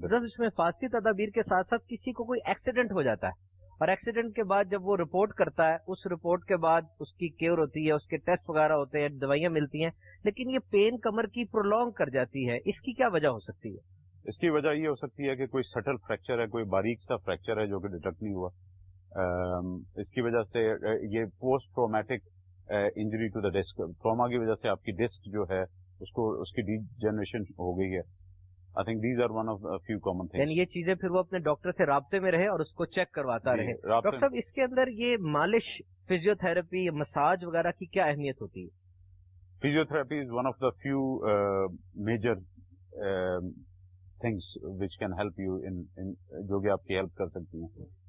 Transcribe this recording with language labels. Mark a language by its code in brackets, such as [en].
[ur] اس میں فاسدی تدابیر کے ساتھ ساتھ کسی کو کوئی ایکسیڈنٹ ہو جاتا ہے, اور ایکسیڈنٹ کے بعد جب وہ رپورٹ کرتا ہے, اس رپورٹ کے بعد اس کی کیور ہوتی ہے, اس کے ٹیسٹ وغیرہ ہوتے ہیں, دوائیاں ملتی ہیں, لیکن یہ پین کمر کی پرولونگ کر جاتی ہے, اس کی کیا وجہ ہو سکتی ہے؟ اس کی وجہ یہ ہو سکتی ہے کہ کوئی سٹل فریکچر ہے, کوئی باریک سا فریکچر ہے جو کہ ڈیٹیکٹ نہیں ہوا, اس کی وجہ سے یہ [en] post traumatic injury to the disc, [ur] trauma کی وجہ سے آپ کی ڈسک جو ہے اس کی ڈی جنریشن ہو گئی ہے. [en] I think these are one of a few common things. [ur] یہ چیزیں پھر وہ اپنے ڈاکٹر سے رابطے میں رہے اور اس کو چیک کرواتا رہے. ڈاکٹر صاحب, اس کے اندر یہ مالش, فیزیو تھراپی, مساج وغیرہ کی کیا اہمیت ہوتی ہے؟ [en] physiotherapy is one of the few major things which can help you in, [ur] جو کہ آپ کی ہیلپ کر سکتی ہیں.